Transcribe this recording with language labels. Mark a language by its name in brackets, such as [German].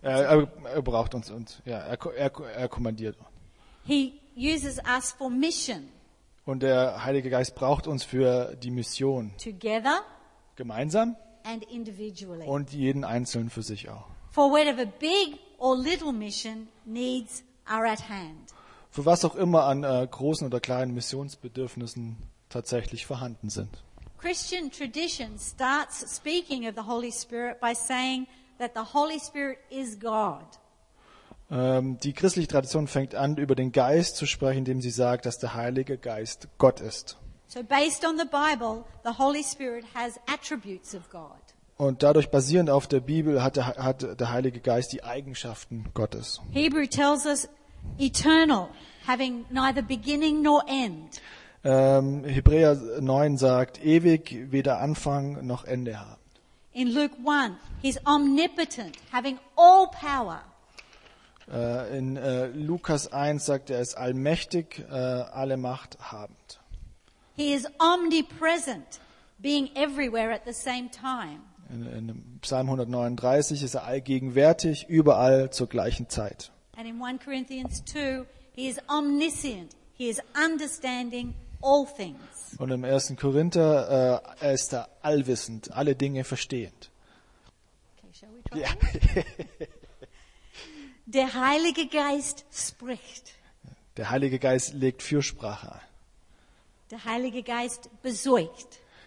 [German] Er braucht uns und ja, er kommandiert uns. [English] He uses us for mission. [German] Und der Heilige Geist braucht uns für die Mission. [English] Together. [German] Gemeinsam. [English] And individually. [German] Und jeden Einzelnen für sich auch. [English] For whatever big or little mission needs are at hand. [German] Für was auch immer an großen oder kleinen Missionsbedürfnissen tatsächlich vorhanden sind. [English] Christian tradition starts speaking of the Holy Spirit by saying that the Holy Spirit is God. [German] Die christliche Tradition fängt an, über den Geist zu sprechen, indem sie sagt, dass der Heilige Geist Gott ist. [English] So based on the Bible, the Holy Spirit has attributes of God. [German] Und dadurch basierend auf der Bibel hat der Heilige Geist die Eigenschaften Gottes. [English] Hebrew tells us eternal, having neither beginning nor end. [German] Hebräer 9 sagt, ewig, weder Anfang noch Ende haben. [English] In Luke 1, he's omnipotent, having all power. [German] In Lukas 1 sagt er, ist allmächtig, alle Macht habend. [English] He is omnipresent, being everywhere at the same time. [German] In Psalm 139 ist er allgegenwärtig, überall zur gleichen Zeit. [English] And in 1 Corinthians 2, he is omniscient, he is understanding all things. [German] Und im 1. Korinther er ist er allwissend, alle Dinge verstehend. [English] Okay, shall we try? [German] Der Heilige Geist spricht. Der Heilige Geist legt Fürsprache ein. Der Heilige Geist besorgt.